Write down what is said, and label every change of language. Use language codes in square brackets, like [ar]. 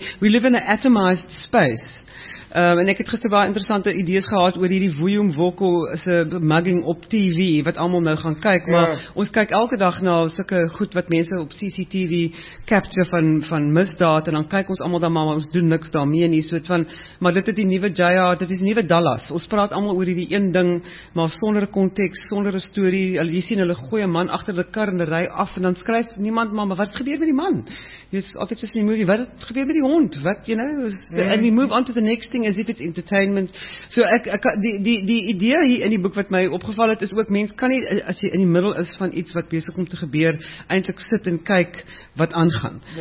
[en] We live in an atomized space. [af] En ek het gister baie interessante idees gehad oor hierdie Vuyong Vokko se mugging op TV, wat almal nou gaan kyk, maar ons kyk elke dag na sulke goed wat mense op CCTV capture van misdaad, en dan kyk ons almal dan maar ons doen niks daarmee nie, soort van, maar dit is die nuwe Jaya, dit is die nuwe Dallas, ons praat almal oor hierdie een ding, maar sonder konteks, sonder 'n storie, jy sien hulle goeie man agter die kar en ry af, en dan skryf niemand maar wat gebeur met die man? Jy is altyd soos in die movie, wat gebeur met die hond? [en] Wat, you know, and we move on to the next as if it's entertainment. [af] So die idee hier in die boek wat my opgeval het is ook, mens kan nie as jy in die middel is van iets wat besig om te gebeur eintlik sit en kyk wat aangaan.